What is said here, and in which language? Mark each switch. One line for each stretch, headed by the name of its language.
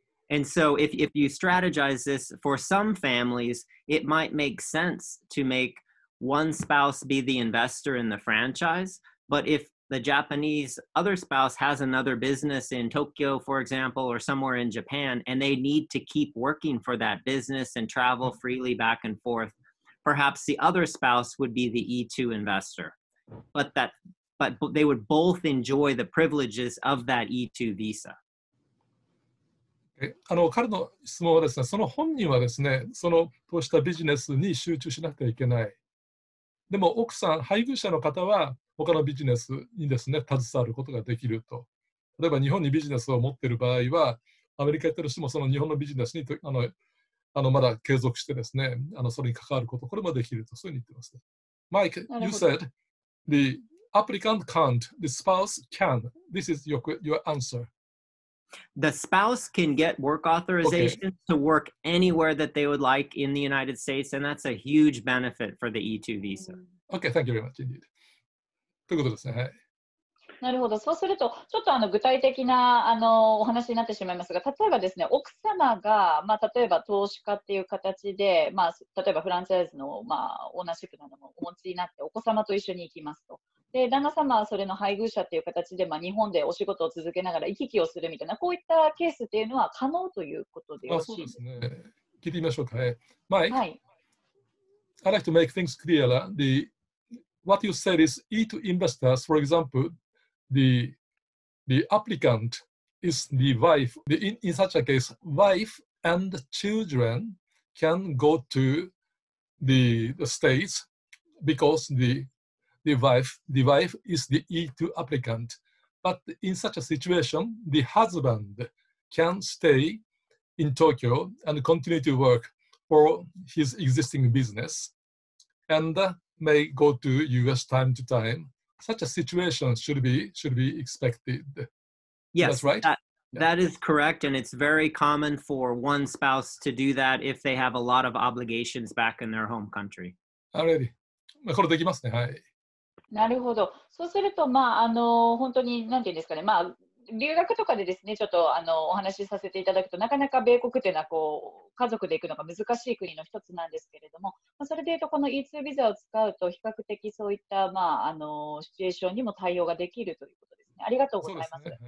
English: And so if you strategize this for some families, it might make sense to makeOne spouse be the investor in the franchise, but if the Japanese other spouse has another business in Tokyo, for example, or somewhere in Japan, and they need to keep working for that business and travel freely back and forth, perhaps the other spouse would be the E2 investor. But they would both enjoy the privileges of that E2 visa.
Japanese: あの彼の質問はですね、その本人はですね、その投資したビジネスに集中しなくてはいけない。でも奥さん、配偶者の方は他のビジネスにですね、携わることができると。例えば日本にビジネスを持っている場合は、アメリカに行ったとしてもその日本のビジネスにまだ継続してですね、それに関わること、これもできると、そういうふうに言ってます。
English: Mike, you said the applicant can't, the spouse can. This is your answer. The spouse can get work authorization、okay. to work anywhere that they would like in the United States, and that's a huge benefit for the E2 visa. Okay, thank you very much indeed.
Japanese: ということですね、はい。なるほど、そうすると、ちょっと具体的なお話になってしまいますが、例えばですね、奥様が、まあ、例えば投資家っていう形で、まあ、例えばフランチャイズの、まあ、オーナーシップなどもお持ちになって、お子様と一緒に行きますと。で旦那様はそれの配偶者という形で、まあ、日本でお仕事を続けながら行き来をするみたいな、こういったケースというのは可能ということでよろしいですか？そうですね。聞いてみましょうかね。
English: Mike,、
Japanese: はい、
English: I'd like to make things clearer. What you said is E2 investors, for example, the applicant is the wife. In such a case, wife and children can go to the States because the wife is the E2 applicant. But in such a situation, the husband can stay in Tokyo and continue to work for his existing business and may go to US time to time. Such a situation should be expected. Yes, that's right. That is correct. And it's very common for one spouse to do that if they have a lot of obligations back in their home country. Already.
Japanese: これできますね。はい。なるほど。そうすると、まあ、本当に、なんていうんですかね、まあ、留学とかでですね、ちょっとお話しさせていただくと、なかなか米国というのはこう、家族で行くのが難しい国の一つなんですけれども、まあ、それでいうと、この E2 ビザを使うと、比較的そういった、まあ、シチュエーションにも対応ができるということですね。ありがとうございます。